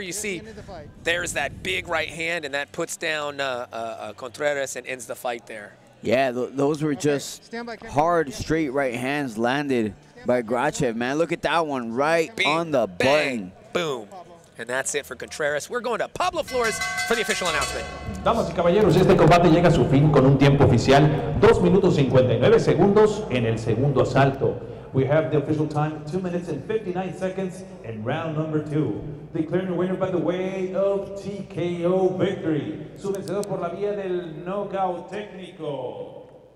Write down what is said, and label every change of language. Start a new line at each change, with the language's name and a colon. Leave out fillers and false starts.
English: You see there's that big right hand, and that puts down Contreras and ends the fight there. Yeah, those were just hard, straight right hands landed by Grachev, man. Look at that one right on the button. Boom. And that's it for Contreras. We're going to Pablo Flores for the official announcement.
Spanish: Damas y caballeros, este combate llega a su fin con un tiempo oficial. 2:59 en el segundo asalto.
English: We have the official time, 2:59 in round number 2. Declaring the winner by the way of TKO victory.
Spanish: Su vencedor por la vía del knockout técnico.